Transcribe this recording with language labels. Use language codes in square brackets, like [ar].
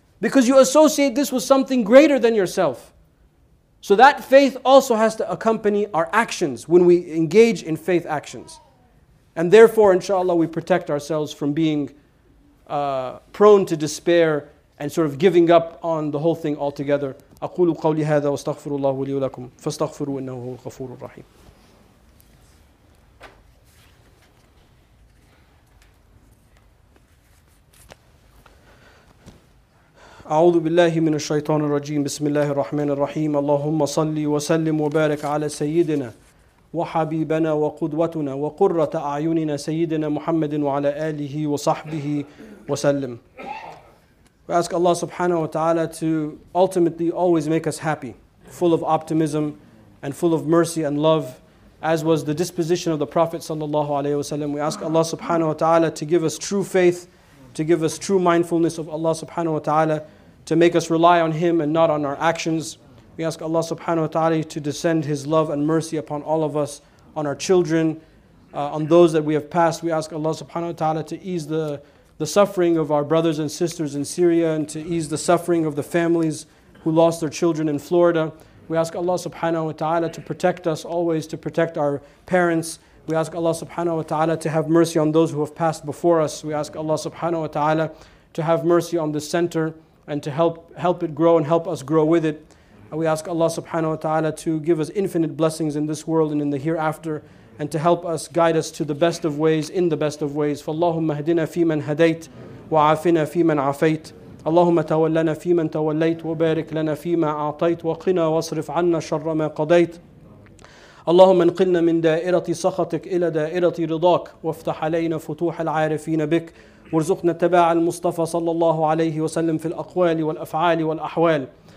[en] Because you associate this with something greater than yourself. So that faith also has to accompany our actions when we engage in faith actions. And therefore, inshallah, we protect ourselves from being prone to despair and sort of giving up on the whole thing altogether. [ar] أقول قولي هذا واستغفر الله لي ولكم فاستغفروا إنه هو الغفور الرحيم. أعوذ بالله من الشيطان الرجيم بسم الله الرحمن الرحيم اللهم صلي وسلم وبارك على سيدنا وحبيبنا وقدوتنا وقرة أعيننا سيدنا محمد وعلى آله وصحبه وسلم. [en] We ask Allah subhanahu wa ta'ala to ultimately always make us happy, full of optimism and full of mercy and love, as was the disposition of the Prophet sallallahu alayhi wa sallam. We ask Allah subhanahu wa ta'ala to give us true faith, to give us true mindfulness of Allah subhanahu wa ta'ala, to make us rely on Him and not on our actions. We ask Allah subhanahu wa ta'ala to descend His love and mercy upon all of us, on our children, on those that we have passed. We ask Allah subhanahu wa ta'ala to ease the suffering of our brothers and sisters in Syria and to ease the suffering of the families who lost their children in Florida. We ask Allah subhanahu wa ta'ala to protect us always, to protect our parents. We ask Allah subhanahu wa ta'ala to have mercy on those who have passed before us. We ask Allah subhanahu wa ta'ala to have mercy on this center and to help it grow and help us grow with it. And we ask Allah subhanahu wa ta'ala to give us infinite blessings in this world and in the hereafter. And to help us, guide us to the best of ways, in the best of ways. [ar] فَاللَّهُمَّ هَدِنَا فِي مَنْ هَدَيْتْ وَعَافِنَا فِي مَنْ عَفَيْتْ اللَّهُمَّ تَوَلَّنَا فِي مَنْ تَوَلَّيْتْ وَبَارِكْ لَنَا فِي مَا أَعْطَيْتْ وَقِنَا وَاصْرِفْ عَنَّا شَرَّ مَا قَضَيْتْ اللهم انقلنا من دائرة سخطك إلى دائرة رضاك وافتح علينا فتوح العارفين بك وارزقنا اتباع المصطفى صلى الله عليه وسلم في الأقوال والأفعال والأحوال